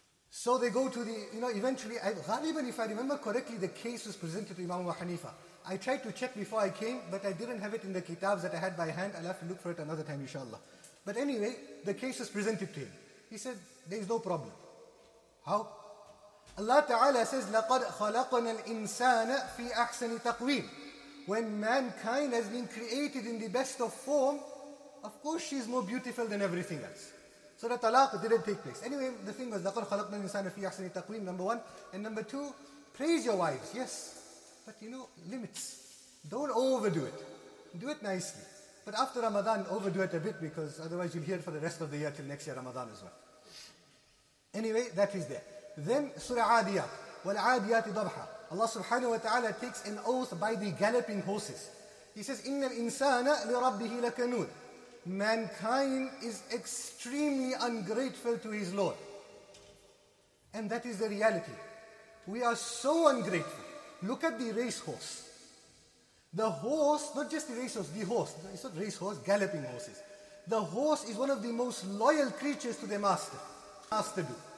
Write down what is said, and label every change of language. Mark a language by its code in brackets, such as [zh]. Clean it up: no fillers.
[en] So they go to the, you know, eventually, ghaliban, if I remember correctly, the case was presented to Imam Abu Hanifa. I tried to check before I came, but I didn't have it in the kitabs that I had by hand. I'll have to look for it another time, inshallah. But anyway, the case was presented to him. He said, there is no problem. How? [ar] Allah Ta'ala says, لَقَدْ خَلَقْنَا الْإِنسَانَ فِي أَحْسَنِ تَقْوِيمٍ. [en] When mankind has been created in the best of form, of course she is more beautiful than everything else. So the talaq didn't take place. Anyway, the thing was, [ar] لَقَدْ خَلَقْنَا الْإِنسَانَ فِي أَحْسَنِ تَقْوِيمٍ, [en] number one. And number two, praise your wives, yes. But you know, limits. Don't overdo it. Do it nicely. But after Ramadan, overdo it a bit, because otherwise you'll hear it for the rest of the year till next year Ramadan as well. Anyway, that is there. Then Surah Adiyat, [ar] وَالْعَادِيَاتِ ضَبْحَ. [en] Allah subhanahu wa ta'ala takes an oath by the galloping horses. [ar] He says, إِنَّ الْإِنسَانَ لِرَبِّهِ لَكَنُودٌ. [en] Mankind is extremely ungrateful to his Lord. And that is the reality. We are so ungrateful. Look at the racehorse. The horse, not just the racehorse, the horse. It's not racehorse, galloping horses. The horse is one of the most loyal creatures to their master. Master do.